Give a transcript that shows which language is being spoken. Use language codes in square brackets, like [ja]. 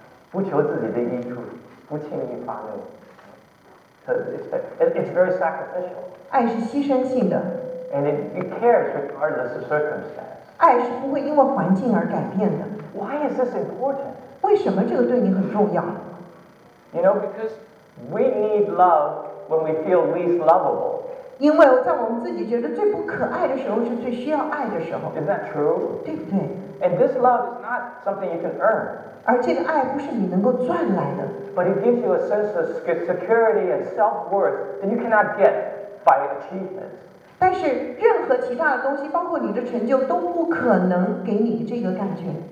[zh] 不求自己的益处，不轻易发怒。 [en] So it's very sacrificial. [zh] 爱是牺牲性的。 [en] And it cares regardless of circumstance. [zh] 爱是不会因为环境而改变的。 [en] Why is this important? [zh] 为什么这个对你很重要？ [en] You know, because we need love when we feel least lovable. [zh] 因为在我们自己觉得最不可爱的时候，是最需要爱的时候。 [en] Is that true? [zh] 对不对？ [en] And this love is not something you can earn. [zh] 而这个爱不是你能够赚来的。 [en] But it gives you a sense of security and self-worth that you cannot get by achievement. [zh] 但是任何其他的东西，包括你的成就，都不可能给你这个感觉。